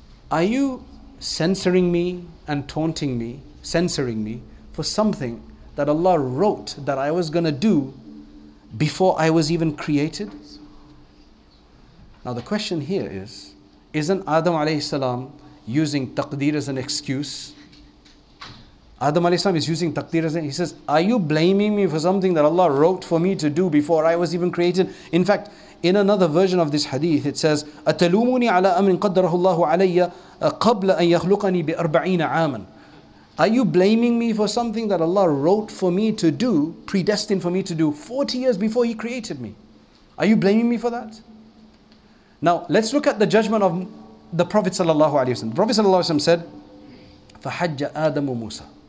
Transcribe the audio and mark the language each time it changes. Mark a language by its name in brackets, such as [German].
[English] Are you censoring me and taunting me, censoring me for something that Allah wrote that I was going to do before I was even created? Now the question here is, isn't Adam alayhi salam using taqdeer as an excuse? Adam alayhi salam is using taqdeer as an excuse. He says, are you blaming me for something that Allah wrote for me to do before I was even created? In fact, in another version of this hadith, it says, [Arabic] أَتَلُومُونِي عَلَىٰ أَمْرٍ قَدَّرَهُ اللَّهُ عَلَيَّ قَبْلَ أَنْ يَخْلُقَنِي بِأَرْبَعِينَ عَامًا. [English] Are you blaming me for something that Allah wrote for me to do, predestined for me to do 40 years before He created me? Are you blaming me for that? Now, let's look at the judgment of the Prophet sallallahu alayhi wa sallam. The Prophet sallallahu alayhi wa sallam said, [Arabic] فَحَجَّ آدَمُ مُوسَىٰ.